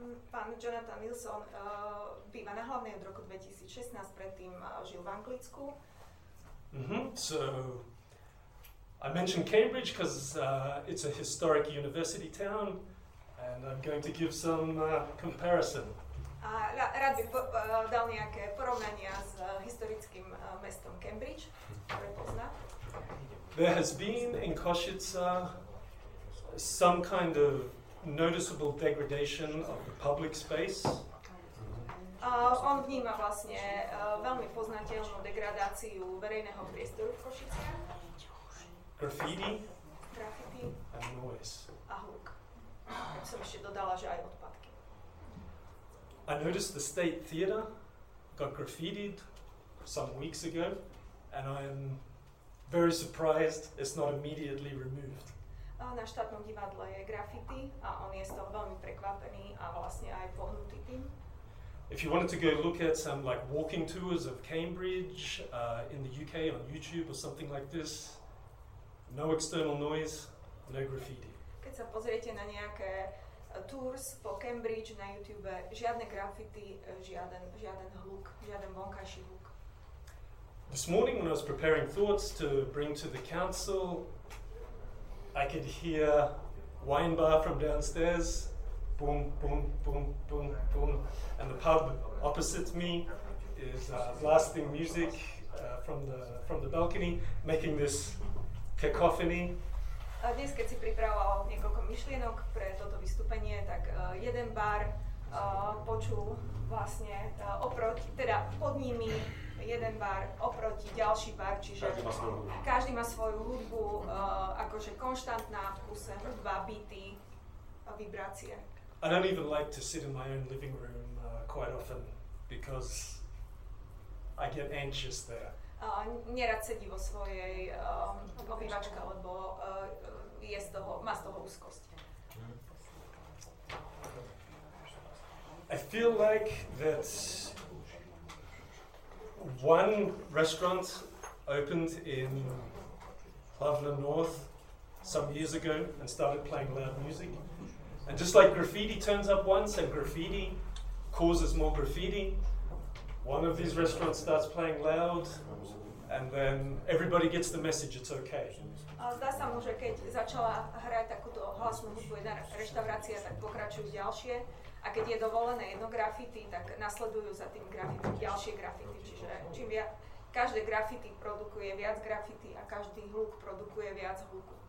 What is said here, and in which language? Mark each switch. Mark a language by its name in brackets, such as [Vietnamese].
[Slovak] Pán Jonathan Wilson býva na Hlavnej od roku 2016, predtým žil v Anglicku. [English] So I mentioned Cambridge because it's a historic university town. And I'm going to give some comparison. [Slovak] Rád by dal nejaké porovnania s historickým mestom Cambridge, ktoré pozná. [English] There has been in Košice some kind of noticeable degradation of the public space. [Slovak] On vníma vlastne veľmi poznateľnú degradáciu verejného priestoru v Košiciach. [English] Graffiti. And noise. [Slovak] A hluk. Ja som ešte dodala, že aj odpadky. [English] I noticed the State Theater got graffitied some weeks ago, and I am very surprised it's not immediately removed. [Slovak] Na štátnom divadle je graffiti a on je z toho veľmi prekvapený a vlastne aj pohnutý tým. [English] If you wanted to go look at some like walking tours of Cambridge in the UK on YouTube or something like this, no external noise, no graffiti. [Slovak] Keď sa pozriete na nejaké tours po Cambridge na YouTube, žiadne graffiti, žiaden hluk, žiaden vonkajší hluk. [English] This morning when I was preparing thoughts to bring to the council, I could hear wine bar from downstairs, boom, boom, boom, boom, boom, and the pub opposite me is blasting music from the balcony, making this cacophony. [Slovak] A dnes, keď si pripravoval niekoľko myšlienok pre toto vystúpenie, tak jeden bar počul vlastne oproti, teda pod nimi jeden bar oproti ďalší bar, čiže každý má svoju hudbu, akože konštantná v kuse hudba, beaty, vibrácie. [English] I don't even like to sit in my own living room quite often because I get anxious there. [Slovak] nerad sedí vo svojej obývačke, lebo je z toho, má z toho úzkosť. [English] I feel like that one restaurant opened in Hovland North some years ago and started playing loud music. And just like graffiti turns up once and graffiti causes more graffiti, one of these restaurants starts playing loud and then everybody gets the message it's okay. [Slovak] Zdá sa mu, že keď začala hrať takúto hlasnú hudbu jedna reštaurácia, tak pokračujú ďalšie. A keď je dovolené jedno graffiti, tak nasledujú za tým graffiti ďalšie graffiti. Čiže čím viac, každé graffiti produkuje viac graffiti a každý hluk produkuje viac hluku.